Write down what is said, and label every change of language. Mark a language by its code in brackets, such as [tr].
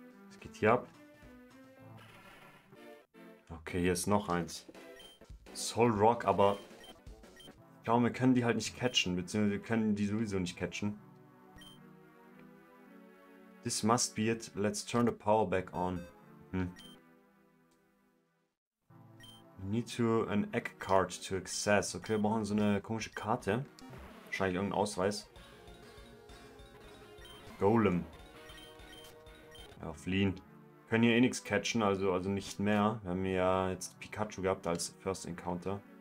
[de] Es geht direkt hier ab. Okay, hier ist noch eins. Soul Rock, aber ich glaube, wir können die halt nicht catchen, beziehungsweise wir können die sowieso nicht catchen. [en] This must be it. Let's turn the power back on. We need to an egg card to access. [de] Okay, wir brauchen so eine komische Karte. Wahrscheinlich irgendein Ausweis. Golem. Ja, fliehen. Wir können hier eh nichts catchen, also nicht mehr. Wir haben ja jetzt Pikachu gehabt als First Encounter.